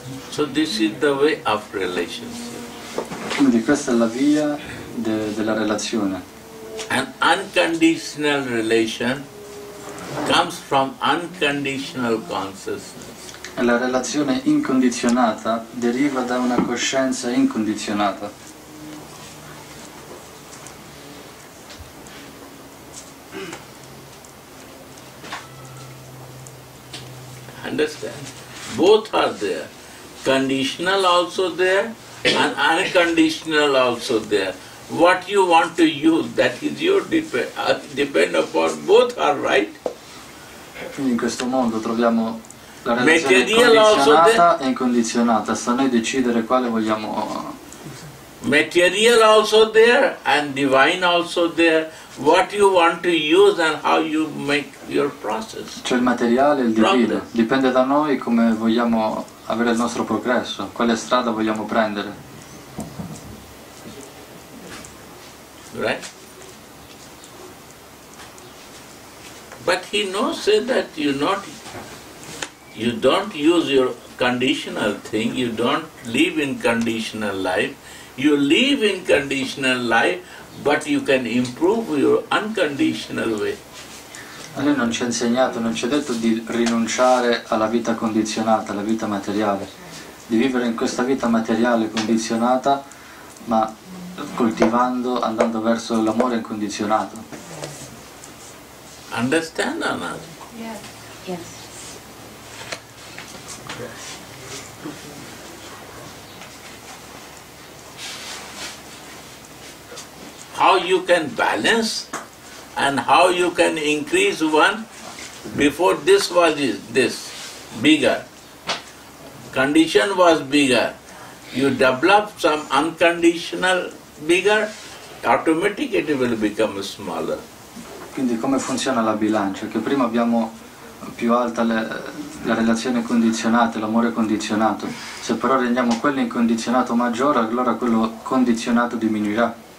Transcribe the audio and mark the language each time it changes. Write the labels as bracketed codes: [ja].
[en] So this is the way of relationship. [it] Quindi questa è la via della relazione. [en] An unconditional relation comes from unconditional consciousness. [it] La relazione incondizionata deriva da una coscienza incondizionata. [en] Understand? Both are there. Conditional also there and unconditional also there. What you want to use, that is your depend upon. Both are right. [it] Quindi in questo mondo troviamo la relazione condizionata e incondizionata, sta a noi decidere quale vogliamo. [en] Material also there and divine also there. What you want to use and how you make your process. [it] C'è il materiale e il divino, dipende da noi come vogliamo avere il nostro progresso, quale strada vogliamo prendere. [en] Right? But he knows, say that you don't use your conditional thing, you don't live in conditional life. You live in conditional life, but you can improve your unconditional way. [it] A lui non ci ha insegnato, non ci ha detto di rinunciare alla vita condizionata, alla vita materiale, di vivere in questa vita materiale condizionata, ma coltivando, andando verso l'amore incondizionato. [en] Understand or not? Yes. Yes. How you can balance and how you can increase one? Before this was this bigger. condition was bigger. You develop some unconditional bigger, automatically it will become smaller. [it] Quindi come funziona la bilancia? Che prima abbiamo più alta la relazione condizionata, l'amore condizionato. Se però rendiamo quello incondizionato maggiore, allora quello condizionato diminuirà.